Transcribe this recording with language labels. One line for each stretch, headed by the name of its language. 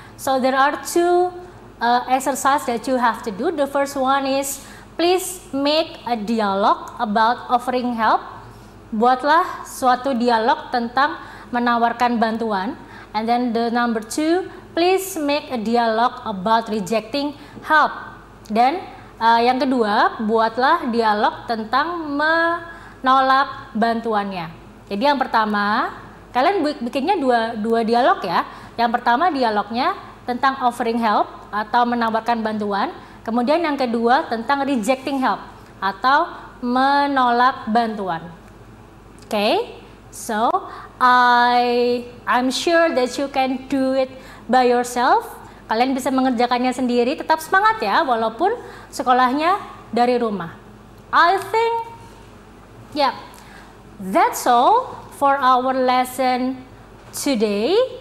English: So there are two exercises that you have to do. The first one is, please make a dialogue about offering help.
Indonesian: Buatlah suatu dialog tentang menawarkan bantuan.
English: And then the number two, please make a dialogue about rejecting help.
Indonesian: Dan yang kedua, buatlah dialog tentang menolak bantuannya. Jadi yang pertama, kalian bikinnya dua dialog, ya. Yang pertama dialognya tentang offering help atau menawarkan bantuan. Kemudian yang kedua tentang rejecting help atau menolak bantuan.
English: Okay, so I'm sure that you can do it by yourself.
Indonesian: Kalian bisa mengerjakannya sendiri. Tetap semangat, ya, walaupun sekolahnya dari rumah.
English: I think, yeah, that's all for our lesson today.